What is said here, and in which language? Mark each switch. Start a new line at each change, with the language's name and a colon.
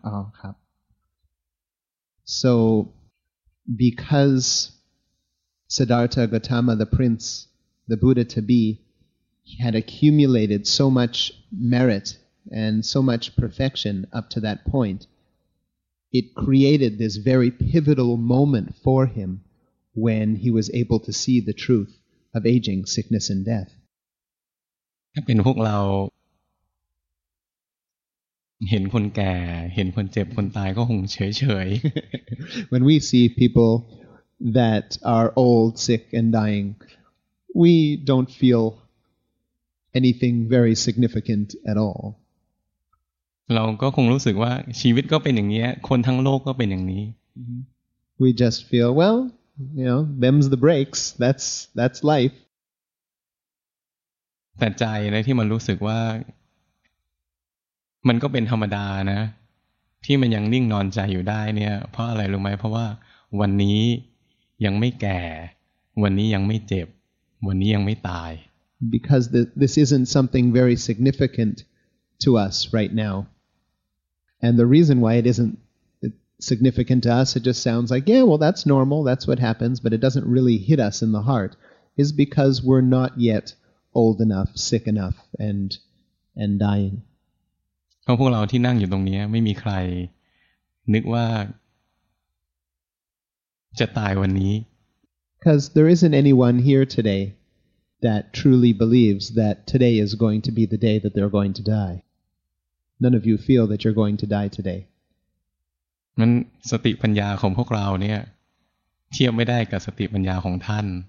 Thai: อ๋อครับ
English: So because Siddhartha Gautama the prince the Buddha to beHe had accumulated so much merit and so much perfection up to that point. It created this very pivotal moment for him when he was able to see the truth of aging, sickness, and death.
Thai: ถ้าเป็นพวกเราเห็นคนแก่เห็นคนเจ็บคนตายก็คงเฉย
English: ๆ When we see people that are old, sick, and dying, we don't feelanything very significant at all
Thai: เราก็คงรู้สึกว่าชีวิตก็เป็นอย่างนี้คนทั้งโลกก็เป็นอย่างนี้
English: we just feel well you know them's the breaks that's life
Thai: แต่ใจนะที่มันรู้สึกว่ามันก็เป็นธรรมดานะที่มันยังนิ่งนอนใจอยู่ได้เนี่ยเพราะอะไรรู้ไหมเพราะว่าวันนี้ยังไม่แก่วันนี้ยังไม่เจ็บวันนี้ยังไม่ตาย
English: Because this isn't something very significant to us right now. And the reason why it isn't significant to us, it just sounds like, yeah, well, that's normal. That's what happens. But it doesn't really hit us in the heart is because we're not yet old enough, sick enough, and dying.
Thai: เพราะพวกเราที่นั่งอยู่ตรงนี้ไม่มีใครนึกว่าจะตายวันนี้
English: Because there isn't anyone here today. That truly believes that today is going to be the day that they're going to die. None of you feel that you're going to die today.
Thai: นั้นสติปัญญาของพวกเราเนี่ยเทียบไม่ได้กับสติปัญญาของท่าน